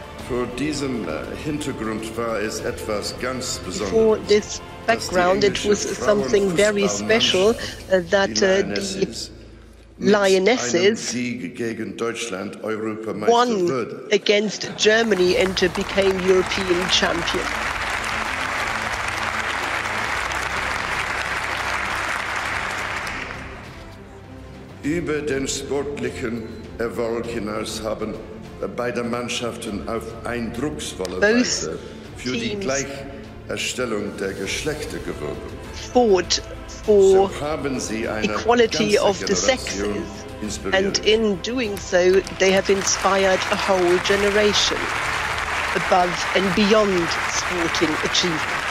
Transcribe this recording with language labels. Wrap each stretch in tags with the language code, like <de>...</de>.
<de>Vor diesem Hintergrund war es etwas ganz Besonderes.</de> <en>Before this background, it was something very special that the Lionesses won against Germany and became European champion.</en> <de>Über den sportlichen Erfolg hinaus haben beide Mannschaften auf eindrucksvolle Weise für die Gleicherstellung der Geschlechter geworben.</de> <en>Fought for equality of the sexes, and in doing so, they have inspired a whole generation above and beyond sporting achievements.</en>